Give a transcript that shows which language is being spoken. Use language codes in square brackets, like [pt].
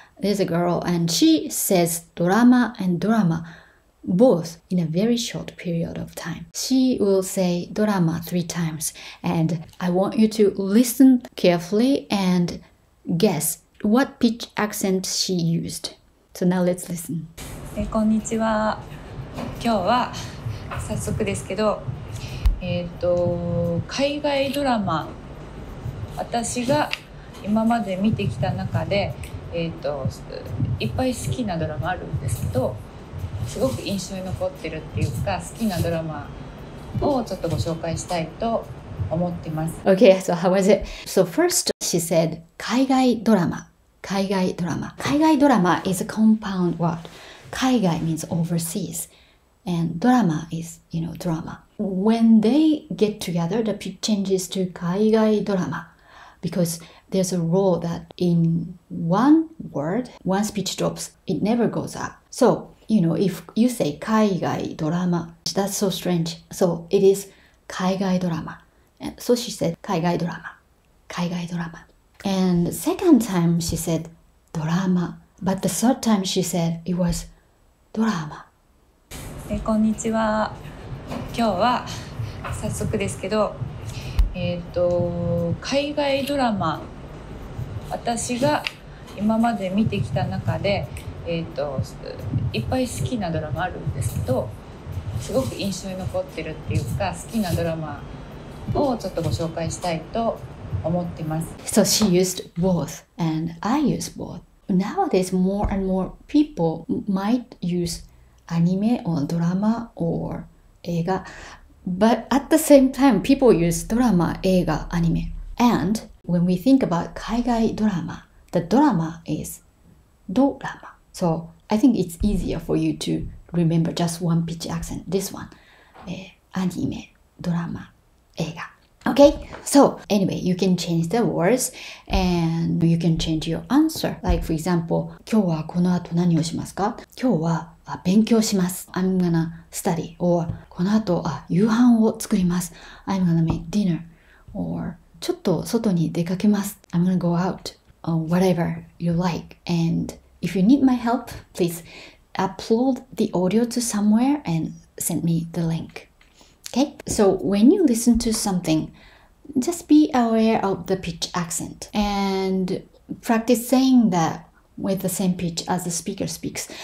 [en] There's a girl and she says drama and drama both in a very short period of time. She will say drama three times. And I want you to listen carefully and guess what pitch accent she used. So now let's listen. [ja] Hey, こんにちは。今日は早速ですけど海外ドラマ私が今まで見てきた中で、いっぱい好きなドラマあるんですけどすごく印象に残ってるっていうか好きなドラマをちょっとご紹介したいと思ってます [en] OK, so how was it? So first she said 海外ドラマ海外ドラマ海外ドラマ is a compound word 海外 means overseas and drama is, you know, dramaWhen they get together, the pitch changes to 海外ドラマ because there's a rule that in one word, once pitch drops, it never goes up. So, you know, if you say 海外ドラマ, that's so strange. So it is 海外ドラマ.So she said 海外ドラマ, 海外ドラマ. And the second time she said ドラマ, but the third time she said it was ドラマ. [ja] Hey, こんにちは。今日は早速ですけど、海外ドラマ私が今まで見てきた中で、いっぱい好きなドラマあるんですけどすごく印象に残ってるっていうか好きなドラマをちょっとご紹介したいと思ってます [en] So she used both and I use both Nowadays more and more people might use アニメ or ドラマ or映画. But at the same time, people use drama, 映画, anime. And when we think about 海外ドラマ, the drama is ドラマ. So I think it's easier for you to remember just one pitch accent, this one. [ja] アニメ, ドラマ, 映画. [en] Okay, so anyway, you can change the words and you can change your answer. Like for example, [ja] 今日はこの後何をしますか? 今日は勉強します。 [en] I'm gonna study. [ja] Or, この後、夕飯を作ります。 [en] I'm gonna make dinner. [ja] Or, ちょっと外に出かけます。 [en] I'm gonna go out. Or whatever you like. And if you need my help, please upload the audio to somewhere and send me the link. Okay? So, when you listen to something, just be aware of the pitch accent. And practice saying thatwith the same pitch as the speaker speaks.